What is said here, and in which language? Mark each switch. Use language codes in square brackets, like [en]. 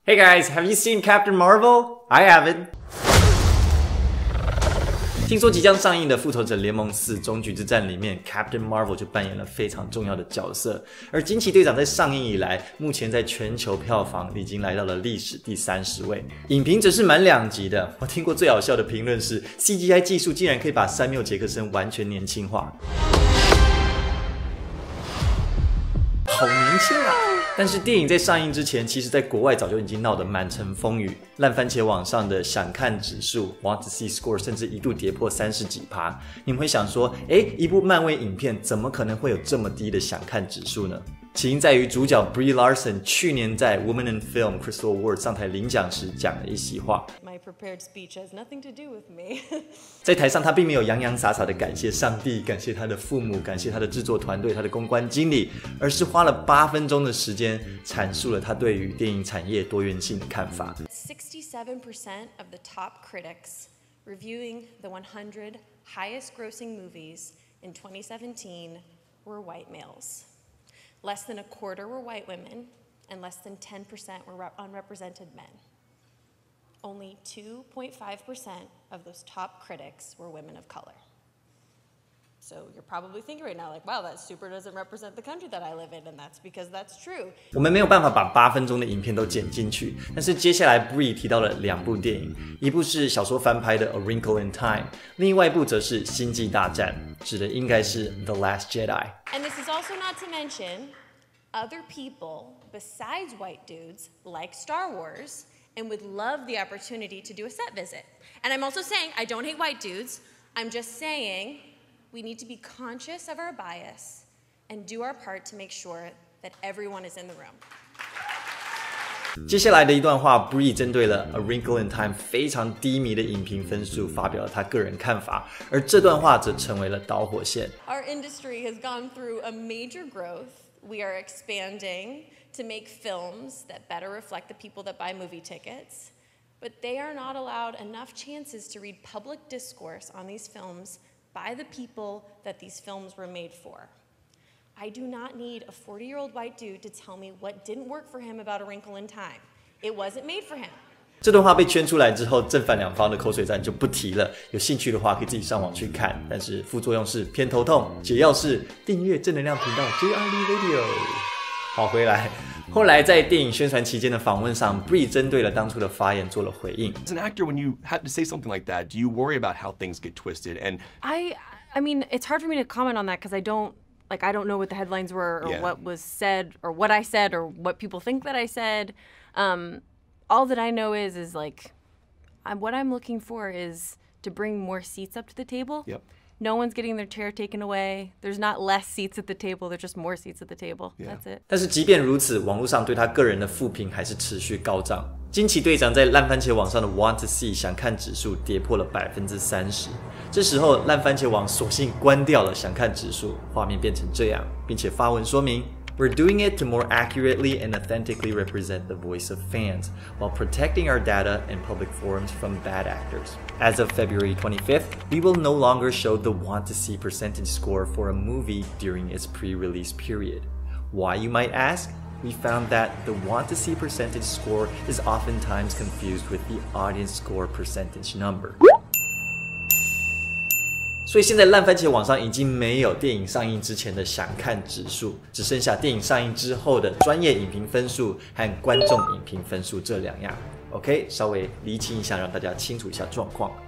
[en] Hey guys, have you seen Captain Marvel? I haven't. [zh] 听说即将上映的《复仇者联盟4：终局之战》里面 ，Captain Marvel 就扮演了非常重要的角色。而惊奇队长在上映以来，目前在全球票房已经来到了历史第30位。影评则是满两极的。我听过最好笑的评论是 ，CGI 技术竟然可以把山缪杰克森完全年轻化。好年轻啊！但是电影在上映之前，其实在国外早就已经闹得满城风雨，烂番茄网上的想看指数 [en] want to see score [zh] 甚至一度跌破30几%。你们会想说，诶，一部漫威影片怎么可能会有这么低的想看指数呢？起因在于主角 Brie Larson 去年在 Women in Film Crystal Award 上台领奖时讲了一席话。 [en] My prepared speech has nothing to do with me. [zh] 在台上他并没有洋洋洒洒的感谢上帝，感谢他的父母，感谢他的制作团队，他的公关经理，而是花了8分钟的时间阐述了他对于电影产业多元性的看法。 [en] 67% of the top critics reviewing the 100 highest grossing movies in 2017 were white males. Less than a quarter were white women, and less than 10% were unrepresented men. Only 2.5% of those top critics were women of color. So you're probably thinking right now, like, wow, that super doesn't represent the country that I live in, and that's because that's true. [zh] 我们没有办法把八分钟的影片都剪进去，但是接下来 Brie 提到了两部电影，一部是小说翻拍的《A Wrinkle in Time》，另外一部则是《星际大战》，指的应该是《The Last Jedi》。 [en] And this is also not to mention other people besides white dudes like Star Wars and would love the opportunity to do a set visit. And I'm also saying I don't hate white dudes. I'm just saying we need to be conscious of our bias and do our part to make sure that everyone is in the room. [zh] 接下来的一段话 ，Brie 针对了《A Wrinkle in Time》非常低迷的影评分数发表了他个人看法，而这段话则成为了导火线。 [en] Our industry has gone through a major growth. We are expanding to make films that better reflect the people that buy movie tickets, but they are not allowed enough chances to read public discourse on these films. By the people that these films were made for. I do not need a 40-year-old white dude to tell me what didn't work for him about A Wrinkle in Time. It wasn't made for him. [zh] 这段话被圈出来之后，正反两方的口水战就不提了。有兴趣的话可以自己上网去看。但是副作用是偏头痛，解药是订阅正能量频道 JRD Radio。好，回来。后来在电影宣传期间的访问上 ，Brie 针对了当初的发言做了回应。 [en] As an actor, when you have to say something like that, do you worry about how things get twisted? And I mean, it's hard for me to comment on that because I don't know what the headlines were or what was said or what I said or what people think that I said. All that I know is like, what I'm looking for is to bring more seats up to the table. Yep. No one's getting their chair taken away. There's not less seats at the table. There's just more seats at the table. That's it. [zh] 但是即便如此，网络上对他个人的负评还是持续高涨。惊奇队长在烂番茄网上的 [en] want to see [zh] 想看指数跌破了30%。这时候，烂番茄网索性关掉了想看指数，画面变成这样，并且发文说明 [en] ：We're doing it to more accurately and authentically represent the voice of fans while protecting our data and public forums from bad actors. As of February 25th, we will no longer show the want-to-see percentage score for a movie during its pre-release period. Why, you might ask? We found that the want-to-see percentage score is oftentimes confused with the audience score percentage number. [zh] 所以现在烂番茄网上已经没有电影上映之前的想看指数，只剩下电影上映之后的专业影评分数和观众影评分数这两样。 OK， 稍微厘清一下，让大家清楚一下状况。